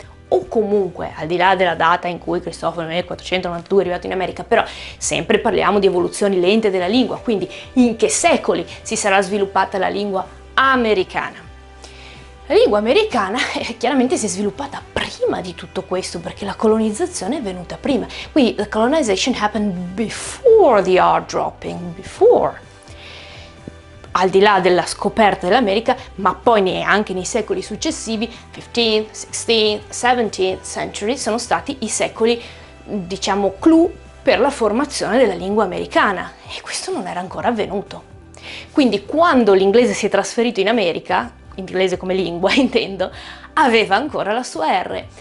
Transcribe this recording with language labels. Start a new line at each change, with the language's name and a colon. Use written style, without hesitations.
Italian: O comunque, al di là della data in cui Cristoforo nel 492 è arrivato in America, però sempre parliamo di evoluzioni lente della lingua, quindi in che secoli si sarà sviluppata la lingua americana. La lingua americana chiaramente si è sviluppata prima di tutto questo, perché la colonizzazione è venuta prima.
English: Quindi, the colonization happened before the R-dropping, before.
Italian: Al di là della scoperta dell'America, ma poi neanche nei secoli successivi,
English: 15th, 16th, 17th century,
Italian: sono stati i secoli, diciamo, clou per la formazione della lingua americana. E questo non era ancora avvenuto. Quindi, quando l'inglese si è trasferito in America, inglese come lingua intendo, aveva ancora la sua R.